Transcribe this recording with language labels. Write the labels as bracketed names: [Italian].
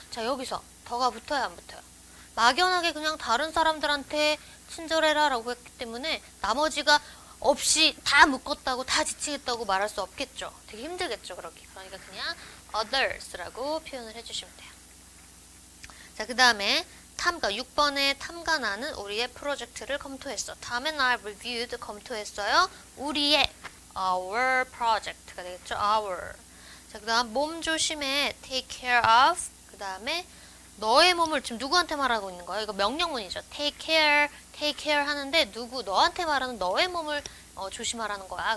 [Korean] 자, 여기서 더가 붙어요, 안 붙어요? 막연하게 그냥 다른 사람들한테 친절해라라고 했기 때문에 나머지가 없이 다 묶었다고 다 지칭했다고 말할 수 없겠죠. 되게 힘들겠죠, 그렇게. 그러니까 그냥 others라고 표현을 해주시면 돼요. 자, 그 다음에 탐가 6번에 탐가나는 우리의 프로젝트를 검토했어. [English] Tom and I reviewed [Korean] 검토했어요. 우리의 [English] our project [Korean] 가 되겠죠. our. 자, 그 다음 몸 조심해. [English] Take care of. [Korean] 그 다음에 너의 몸을 지금 누구한테 말하고 있는 거야? 이거 명령문이죠. [English] take care [Korean] 하는데 누구, 너한테 말하는 너의 몸을 조심하라는 거야.